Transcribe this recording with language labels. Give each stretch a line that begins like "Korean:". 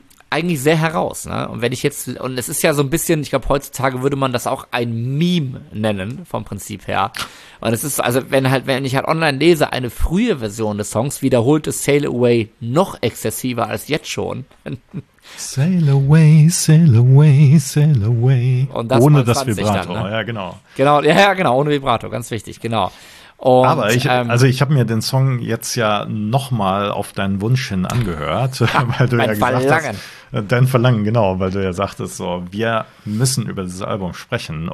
German: eigentlich sehr heraus, ne? Und wenn ich jetzt, und es ist ja so ein bisschen, ich glaube, heutzutage würde man das auch ein Meme nennen, vom Prinzip her. Und es ist, also wenn ich halt online lese, eine frühe Version des Songs wiederholt es Sail Away noch exzessiver als jetzt schon.
English: Sail away, sail away, sail away.
German: Und das ohne das Vibrato, dann, ne? Ja, genau. Genau, ja, genau, ohne Vibrato, ganz wichtig, genau. Und, aber ich, also ich habe mir den Song jetzt ja nochmal auf deinen Wunsch hin angehört, weil du ja gesagt hast, dein Verlangen, genau, weil du ja sagtest, so, wir müssen über dieses Album sprechen.